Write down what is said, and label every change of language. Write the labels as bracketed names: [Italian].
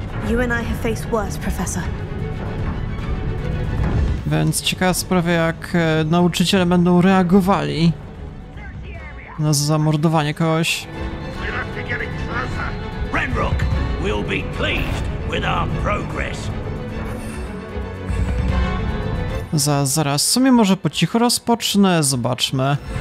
[English] You and I have faced worse, Professor. [Polish] Więc ciekawa sprawa, jak nauczyciele będą reagowali na zamordowanie kogoś. [English] Ranrok, we'll be pleased with our progress. [Polish] Zaraz. W sumie może po cichu rozpocznę, zobaczmy.